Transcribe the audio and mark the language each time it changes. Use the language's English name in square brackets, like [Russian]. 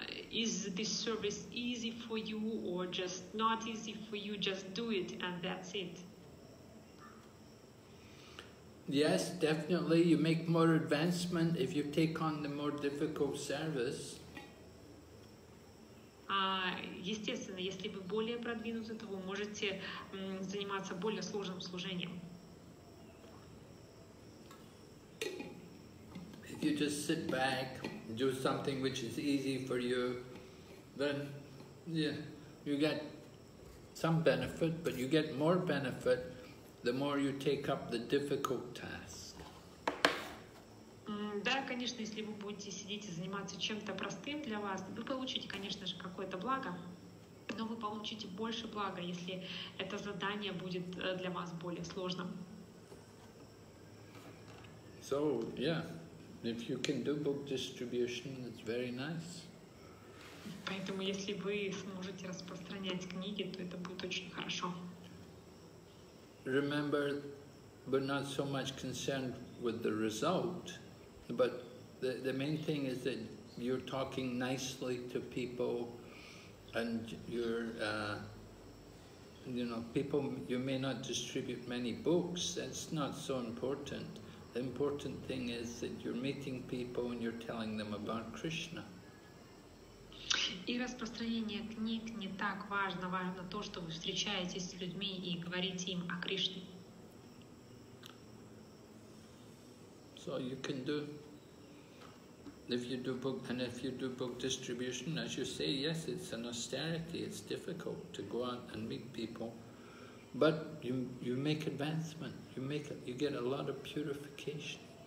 [English] Is this service easy for you or just not easy for you? Just do it and that's it. Yes, definitely. You make more advancement if you take on the more difficult service. [Russian] Естественно, если вы более продвинуты, то вы можете заниматься более сложным служением. [English] If you just sit back, do something which is easy for you, then you get some benefit, but you get more benefit the more you take up the difficult task. [Russian] Да, конечно, если вы будете сидеть и заниматься чем-то простым для вас, вы получите, конечно же, какое-то благо, но вы получите больше блага, если это задание будет для вас более сложным. [English] So, yeah, if you can do book distribution, it's very nice. [Russian] Поэтому, если вы сможете распространять книги, то это будет очень хорошо. [English] Remember, we're not so much concerned with the result. But the main thing is that you're talking nicely to people and you're you know, people, you may not distribute many books, that's not so important. The important thing is that you're meeting people and you're telling them about Krishna. [Russian] И распространение книг не так важно, важно то, что вы встречаетесь с людьми и говорите им о Кришне. [English] So you can do, if you do book, and if you do book distribution, as you say, yes, it's an austerity, it's difficult to go out and meet people, but you make advancement, you get a lot of purification.